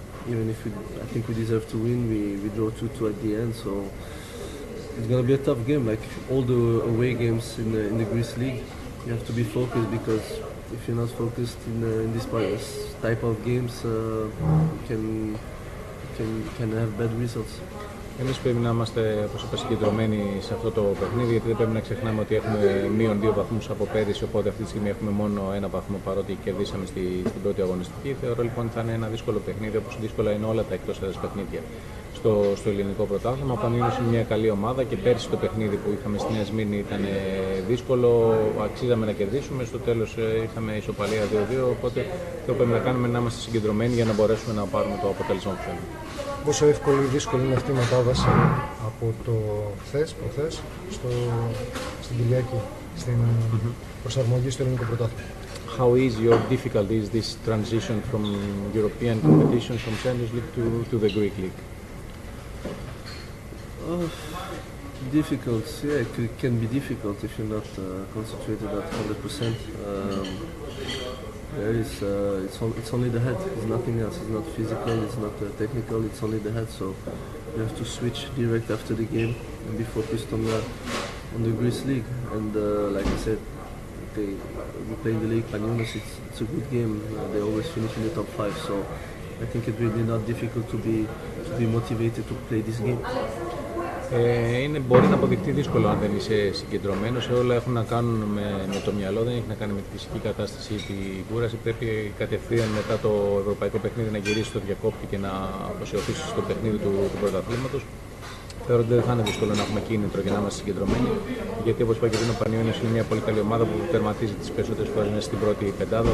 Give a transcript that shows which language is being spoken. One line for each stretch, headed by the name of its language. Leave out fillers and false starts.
English: Even if I think we deserve to win, we draw 2-2 at the end. So it's gonna be a tough game, like all the away games in the Greece league. You have to be focused because if you're not focused in this type of games, you can have bad results.
Greek: Εμείς πρέπει να είμαστε, όπως είπα, συγκεντρωμένοι σε αυτό το παιχνίδι, γιατί δεν πρέπει να ξεχνάμε ότι έχουμε -2 βαθμούς από πέρυσι, οπότε αυτή τη στιγμή έχουμε μόνο 1 βαθμό, παρότι κερδίσαμε στην πρώτη αγωνιστική. Θεωρώ λοιπόν ότι θα είναι ένα δύσκολο παιχνίδι, όπως δύσκολα είναι όλα τα εκτός έδρας παιχνίδια στο ελληνικό πρωτάθλημα. Ο Πανιόνιος είναι μια καλή ομάδα και πέρσι το παιχνίδι που είχαμε στη Νέα Σμύρνη ήταν δύσκολο, αξίζαμε να κερδίσουμε. Στο τέλος είχαμε ισοπαλία 2-2, οπότε το πρέπει να κάνουμε να είμαστε συγκεντρωμένοι για να μπορέσουμε να πάρουμε το αποτέλεσμα που θέλουμε. Πόσο εύκολη ή δύσκολη είναι αυτή η μετάβαση από το χθες, προχθές, στην Κυριακή, στην προσαρμογή στο ελληνικό πρωτάθλημα?
English: How easy or difficult is this transition from European competition, from Champions League to the Greek League? Difficult, yeah, it can be difficult if you're not concentrated at 100%. there is it's only the head. It's nothing else. It's not physical. It's not technical. It's only the head. So you have to switch direct after the game and be focused on the Greece league. And like I said, we play in the league. Panionios, it's a good game. They always finish in the top five. So I think it will be not difficult to be motivated to play this game.
Greek: Μπορεί να αποδειχτεί δύσκολο αν δεν είσαι συγκεντρωμένος. Όλα έχουν να κάνουν με το μυαλό, δεν έχει να κάνει με τη φυσική κατάσταση ή την κούραση. Πρέπει κατευθείαν μετά το ευρωπαϊκό παιχνίδι να γυρίσεις στο διακόπτη και να αποσιωθήσεις στο παιχνίδι του πρωταθλήματος. Θεωρώ ότι δεν θα είναι δύσκολο να έχουμε κίνητρο για να είμαστε συγκεντρωμένοι. Γιατί, όπως είπα και πριν, ο Πανιώνιος είναι μια πολύ καλή ομάδα που τερματίζει τις περισσότερες φορές μέσα στην πρώτη πεντάδα.